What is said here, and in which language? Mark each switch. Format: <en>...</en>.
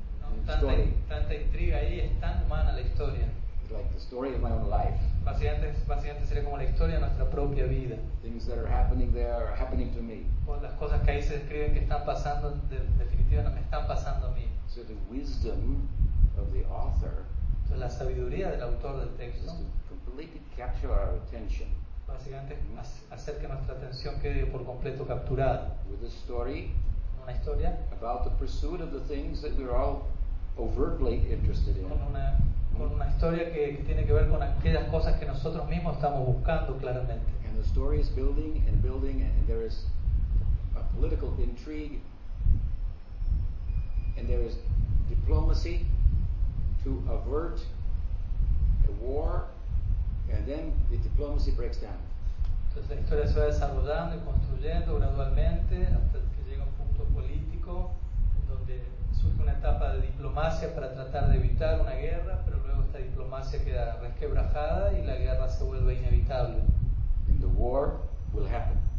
<es>No, tanta intriga ahí, es tan humana la historia.</es> <en>Like the story of my own life.</en> <es>Básicamente sería como la historia de nuestra propia vida.</es> <en>Things that are happening there are happening to me.</en> <es>O las cosas que ahí se describen que están pasando, definitiva, no me están pasando a mí.</es> <en>So the wisdom of the author.</en> <es>Entonces la sabiduría del autor del texto.</es> <en>Is to completely capture our attention.</en> <es>Básicamente hacer que nuestra atención quede por completo capturada.</es> <en>With a story.</en> <es>Una historia.</es> <en>About the pursuit of the things that we're all overtly interested in.</en> <es>Con una historia que tiene que ver con aquellas cosas que nosotros mismos estamos buscando claramente.</es> <en>And the story is building and building and there is a political intrigue and there is diplomacy to avert a war and then the diplomacy breaks down.</en> <es>Entonces la historia se va desarrollando y construyendo gradualmente hasta que llega un punto político donde surge una etapa de diplomacia para tratar de evitar una guerra, pero luego esta diplomacia queda resquebrajada y la guerra se vuelve inevitable.</es> <en>And the war will happen.</en>